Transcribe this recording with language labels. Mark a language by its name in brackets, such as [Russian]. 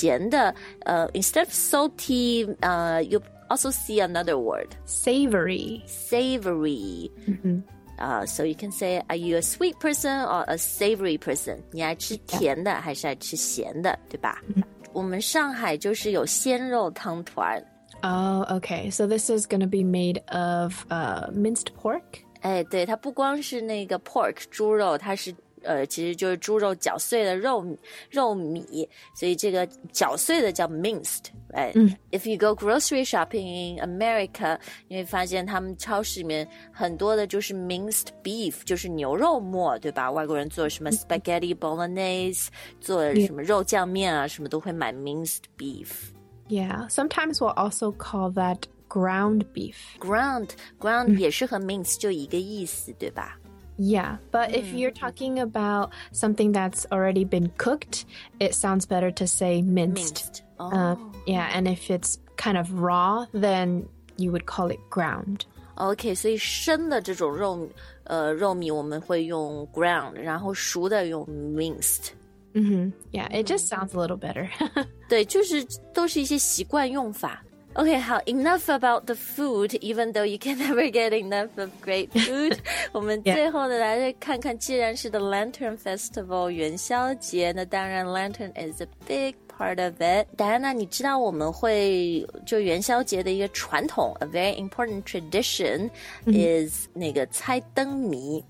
[English] 咸的instead of salty, you also see another word. Savory. Savory. Mm-hmm. So you can say, are you a sweet person or a savory person? [Chinese] 你爱吃甜的、 [English] yeah. [Chinese] 还是爱吃咸的对吧、 [English] mm-hmm. [Chinese] 我们上海就是有鲜肉汤团。 [English] Oh, okay. So this is going to be made of minced pork? [Chinese] 哎，对，它不光是那个 pork, 猪肉，它是其实就是猪肉搅碎的肉米，所以这个搅碎的叫 minced, [English] right? Mm. If you go grocery shopping in America, [Chinese] 你会发现他们超市里面很多的就是 minced beef, 就是牛肉末，对吧？外国人做什么 spaghetti bolognese, 做什么肉酱面啊，什么都会买 minced beef. [English] Yeah, sometimes we'll also call that ground beef. [Chinese] Ground 也是和 mince 就一个意思，对吧？ [English] Yeah, but if you're talking about something that's already been cooked, it sounds better to say minced. Yeah, and if it's kind of raw, then you would call it ground. [Chinese] Okay, 所以生的这种肉米我们会用 ground, 然后熟的用 minced. [English] Mm-hmm. Yeah, it just sounds a little better. [Chinese] 对，就是都是一些习惯用法。 [English] Okay, 好 ,enough about the food, even though you can never get enough of great food. [Chinese] 我们最后的来看看，既然是 the Lantern Festival, 元宵节，那当然 [English] Lantern is a big part of it. [Chinese] Diana, 你知道我们会就元宵节的一个传统 , [English] a very important tradition is [Chinese] 那个猜灯谜。